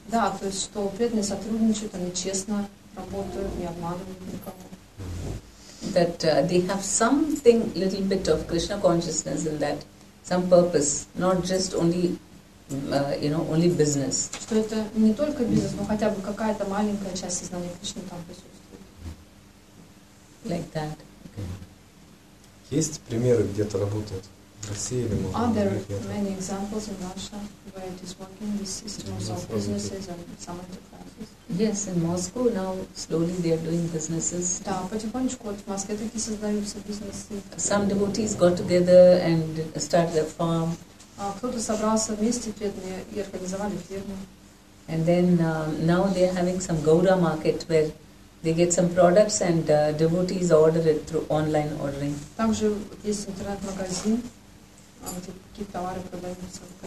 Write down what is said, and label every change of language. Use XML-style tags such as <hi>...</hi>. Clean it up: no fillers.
<ru>Да, то есть, что преданные сотрудничают, они честно работают, не обманывают никого.</ru> <en>That they have something, little bit of Krishna consciousness in that, some purpose, not just only, only business.</en> <ru>Что это не только бизнес, но хотя бы какая-то маленькая часть сознания Кришны там присутствует.</ru> <en>Like that. Okay.</en> <ru>Есть примеры, где это работает?</ru> <en>Are there many examples in Russia where it is working, the systems of businesses and some enterprises? Yes, in Moscow now slowly they are doing businesses.</en> <ru>Да, потихонечку в Москве такие создаются бизнесы.</ru> <en>Some devotees got together and started a farm.</en> <ru>Кто-то собрался вместе преданные и организовали ферму.</ru> <en>And then now they are having some Gaura market where they get some products and devotees order it through online ordering.</en> <ru>Также есть интернет-магазин. Какие товары продаются?</ru>